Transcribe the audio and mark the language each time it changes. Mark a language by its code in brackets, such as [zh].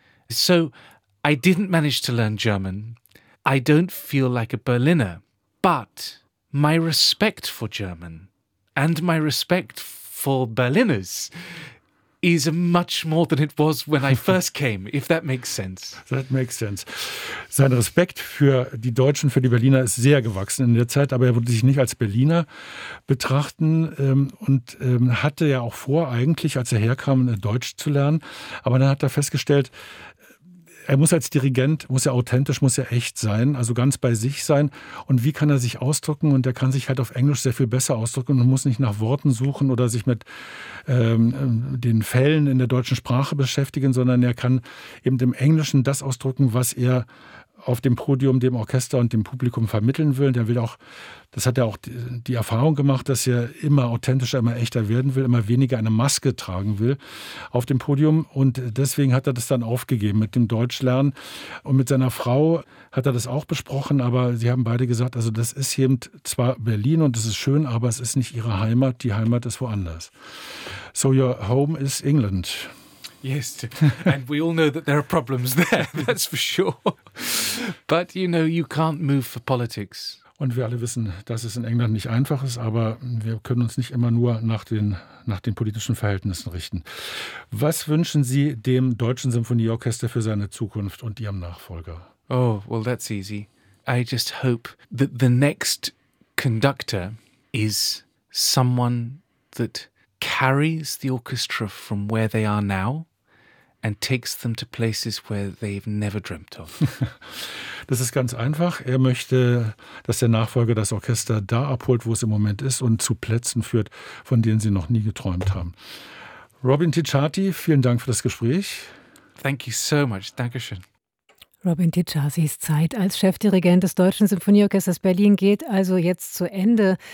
[en] So I didn't manage to learn German. I don't feel like a Berliner. But my respect for German and my respect for Berliners is much more than it was when I first came, if that makes sense. That makes sense. [de] Sein Respekt für die Deutschen, für die Berliner ist sehr gewachsen in der Zeit, aber er würde sich nicht als Berliner betrachten und hatte ja auch vor, eigentlich, als er herkam, Deutsch zu lernen. Aber dann hat er festgestellt, er muss als Dirigent, muss er authentisch, muss er echt sein, also ganz bei sich sein. Und wie kann er sich ausdrücken? Und er kann sich halt auf Englisch sehr viel besser ausdrücken und muss nicht nach Worten suchen oder sich mit den Fällen in der deutschen Sprache beschäftigen, sondern er kann eben im Englischen das ausdrücken, was er auf dem Podium dem Orchester und dem Publikum vermitteln will. Und er will auch, das hat er auch die Erfahrung gemacht, dass er immer authentischer, immer echter werden will, immer weniger eine Maske tragen will auf dem Podium. Und deswegen hat er das dann aufgegeben mit dem Deutschlernen. Und mit seiner Frau hat er das auch besprochen, aber sie haben beide gesagt, also das ist eben zwar Berlin und das ist schön, aber es ist nicht ihre Heimat, die Heimat ist woanders. [en] So your home is England. Yes, and we all know that there are problems there, that's for sure. But you know, you can't move for politics. [de] Und wir alle wissen, dass es in England nicht einfach ist, aber wir können uns nicht immer nur nach den politischen Verhältnissen richten. Was wünschen Sie dem Deutschen Symphonieorchester für seine Zukunft und Ihrem Nachfolger? [en] Oh, well, that's easy. I just hope that the next conductor is someone that carries the orchestra from where they are now and takes them to places where they've never dreamt of. [de] Das ist ganz einfach. Er möchte, dass der Nachfolger das Orchester da abholt, wo es im Moment ist und zu Plätzen führt, von denen sie noch nie geträumt haben. Robin Ticciati, vielen Dank für das Gespräch. [en] Thank you so much. [de] Dankeschön. Robin Ticciatis Zeit als Chefdirigent des Deutschen Symphonieorchesters Berlin geht also jetzt zu Ende.